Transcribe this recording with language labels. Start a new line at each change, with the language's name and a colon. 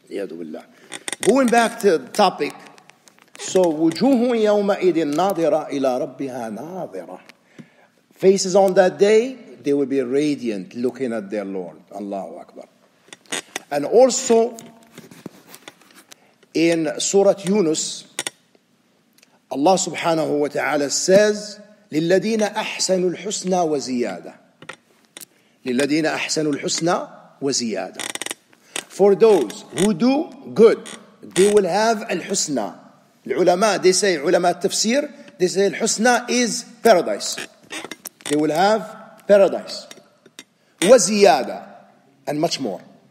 Arabic: لِيَدُ بِاللَّهِ.
English: Going back to the topic, so
Arabic: وُجُوهٌ يَوْمَئِذٍ نَاظِرَةٌ إِلَىٰ رَبِّهَا نَاظِرَةٌ.
English: Faces on that day, they will be radiant looking at their Lord. Allahu Akbar. And also in Surah Yunus, Allah subhanahu wa ta'ala says,
Arabic: للذين أحسنوا الحسنى وزيادة. للذين أحسنوا الحسنى وزيادة.
English: For those who do good, they will have الحسنى. العلماء, they say,
Arabic: علماء التفسير,
English: they say الحسنى is paradise. They will have paradise. وزيادة, and much more.